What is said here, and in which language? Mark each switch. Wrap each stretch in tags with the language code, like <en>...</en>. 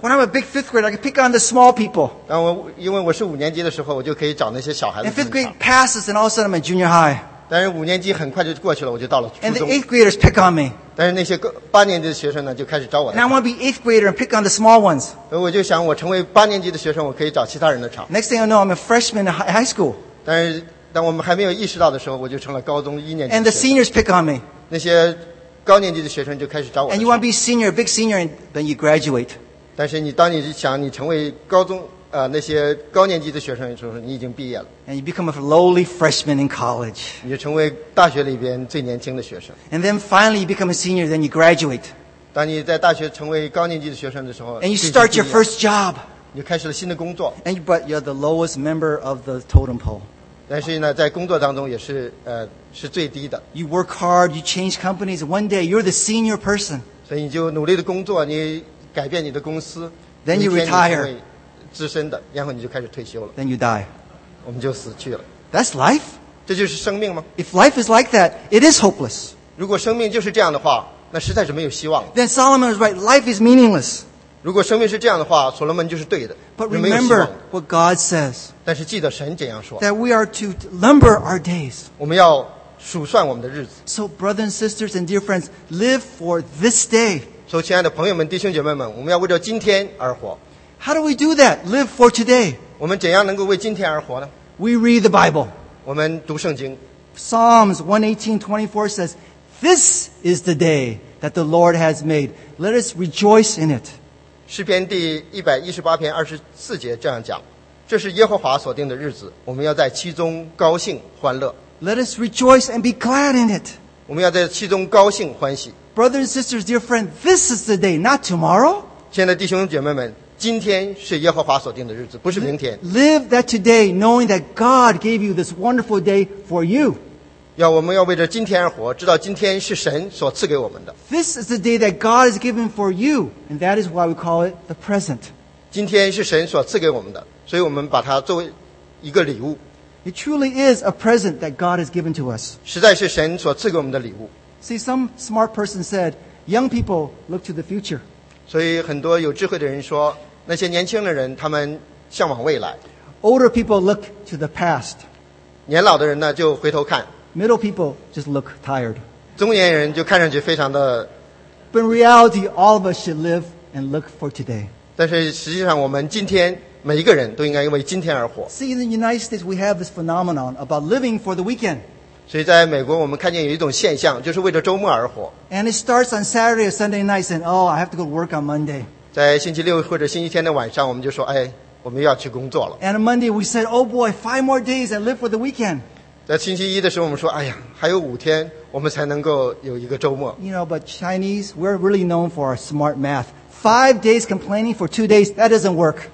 <en>When I'm a big fifth grader, I can pick on the small people.</en> <zh>当我因为我是五年级的时候，我就可以找那些小孩子。</zh> <en>And fifth grade passes, and all of a sudden I'm in junior high.</en> <zh>但是五年级很快就过去了，我就到了初中。</zh> <en>And the eighth graders pick on me.</en> <zh>但是那些八年级的学生呢，就开始找我的。</zh> <en>And I want to be eighth grader and pick on the small ones.</en> <zh>所以我就想，我成为八年级的学生，我可以找其他人的茬。</zh> <en>Next thing I know, I'm a freshman in high school.</en> <zh>但是当我们还没有意识到的时候，我就成了高中一年级。</zh> <en>And the seniors pick on me.</en> <zh>那些高年级的学生就开始找我。</zh> <en>And you want to be senior, big senior, and then you graduate.</en> <zh>但是你当你想你成为高中那些高年级的学生的时候，你已经毕业了。</zh> <en>And you become a lowly freshman in college.</en> <zh>你就成为大学里边最年轻的学生。</zh> <en>And then finally you become a senior, then you graduate.</en> <zh>当你在大学成为高年级的学生的时候</zh> <en>，And you start your first job.</en> <zh>你就开始了新的工作。</zh> <en>And but you're the lowest member of the totem pole.</en> <zh>但是呢，在工作当中也是是最低的。</zh> <en>You work hard, you change companies. One day, you're the senior person.</en> <zh>所以你就努力的工作，你改变你的公司。</zh> <en>Then you retire.</en> <zh>资深的，然后你就开始退休了。</zh> <en>Then you die.</en> <zh>我们就死去了。</zh> <en>That's life.</en> <zh>这就是生命吗</zh> <en>？If life is like that, it is hopeless.</en> <zh>如果生命就是这样的话，那实在是没有希望了。</zh> <en>Then Solomon is right. Life is meaningless.</en> <zh>如果生命是这样的话，所罗门就是对的。</zh> <en>But remember what God says.</en> <zh>但是记得神怎样说。</zh> <en>That we are to number our days.</en> <zh>我们要数算我们的日子。</zh> <en>So brothers and sisters and dear friends, live for this day.</en> <zh>所以亲爱的朋友们、弟兄姐妹们，我们要为着今天而活。</zh> <en>How do we do that? Live for today.</en> <zh>我们怎样能够为今天而活呢</zh> <en>？We read the Bible.</en> <zh>我们读圣经。</zh> <en>Psalms 118:24 says, "This is the day that the Lord has made. Let us rejoice in it."</en> <zh>诗篇第118:24这样讲。这是耶和华所定的日子，我们要在其中高兴欢乐。</zh> <en>Let us rejoice and be glad in it.</en> <zh>我们要在其中高兴欢喜。</zh> <en>Brothers and sisters, dear friends, this is the day, not tomorrow.</en> <zh>亲爱的弟兄姐妹们，今天是耶和华所定的日子，不是明天。</zh> <en>Live that today, knowing that God gave you this wonderful day for you.</en> <zh>要我们要为着今天而活，知道今天是神所赐给我们的。</zh> <en>This is the day that God has given for you, and that is why we call it the present.</en> <zh>今天是神所赐给我们的。所以我们把它作为一个礼物。</zh> <en>It truly is a present that God has given to us.</en> <zh>实在是神所赐给我们的礼物。</zh> <en>See, some smart person said, young people look to the future.</en> <zh>所以很多有智慧的人说，那些年轻的人他们向往未来。</zh> <en>Older people look to the past.</en> <zh>年老的人呢就回头看。</zh> <en>Middle people just look tired.</en> <zh>中年人就看上去非常的。</zh> <en>But in reality, all of us should live and look for today.</en> <zh>但是实际上我们今天每一个人都应该为今天而活。</zh> <en>See, in the United States, we have this phenomenon about living for the weekend.</en> <zh>所以在美国我们看见有一种现象，就是为着周末而活。</zh> <en>And it starts on Saturday or Sunday nights, and oh, I have to go to work on Monday.</en> <zh>在星期六或者星期天的晚上，我们就说，哎，我们要去工作了。</zh> <en>And on Monday, we said, oh boy, 5 more days and live for the weekend.</en> <zh>在星期一的时候，我们说，哎呀，还有五天，我们才能够有一个周末。</zh> <en>You know, but Chinese, we're really known for our smart math. 5 days complaining for 2 days, that doesn't work.</en>